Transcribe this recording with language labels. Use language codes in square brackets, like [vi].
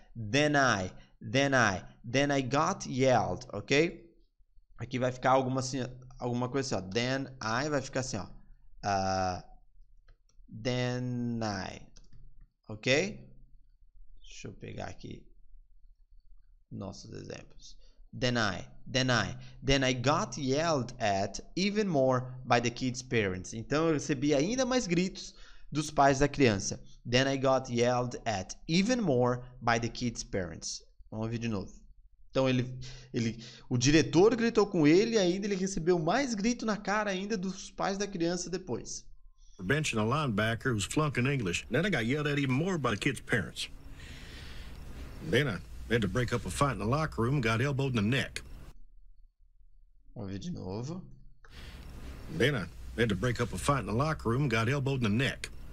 [en] Then I, then I, then I got yelled, ok? [pt] Aqui vai ficar alguma, assim, alguma coisa assim, ó. [en] Then I [pt] vai ficar assim, ó. [en] Then I. [pt] Ok? Deixa eu pegar aqui nossos exemplos. Then I. Then I. [en] Then I got yelled at even more by the kid's parents. [pt] Então, eu recebi ainda mais gritos dos pais da criança. [en] Then I got yelled at even more by the kid's parents. [pt] Vamos ouvir de novo. Então, o diretor gritou com ele e ainda ele recebeu mais grito na cara ainda dos pais da criança depois. [en] Benching a linebacker who's flunking English. Then I got yelled at even more by the kid's parents. Then I had to break up a fight in the locker room and got elbowed in the neck. [pt] Vamos ver de novo. [en] Then I had to break up a fight in the locker room and got elbowed in the neck.